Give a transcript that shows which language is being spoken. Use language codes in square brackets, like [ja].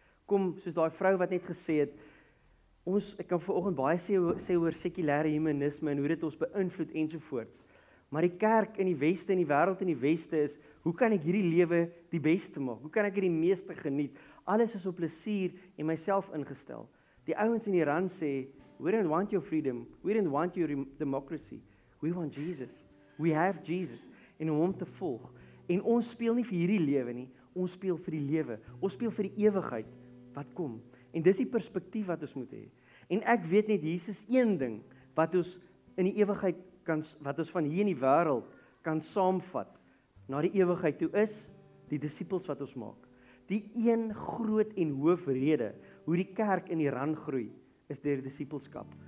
[af] Kom, soos daai vrou wat net gesê het, ek kan vanoggend baie sê oor sekulêre humanisme en hoe dit ons beïnvloed ensovoorts. Maar die kerk in die weste en die wêreld in die weste is, hoe kan ek hierdie lewe die beste maak? Hoe kan ek hierdie meeste geniet? Alles is op plezier en myself ingestel. Die ouens in Iran sê, [en] we don't want your freedom. We don't want your democracy. We want Jesus. We have Jesus. [af] En om hom te volg. En ons speel nie vir hierdie lewe nie. Ons speel vir die lewe. Ons speel vir die ewigheid wat kom. En dis die perspektief wat ons moet hê. En ek weet net, Jesus een ding wat ons in die ewigheid kan, wat ons van hier in die wêreld kan saamvat na die ewigheid toe is, die disippels wat ons maak. Die een groot en hoofrede hoe die kerk in Iran groei, is deur disippelskap.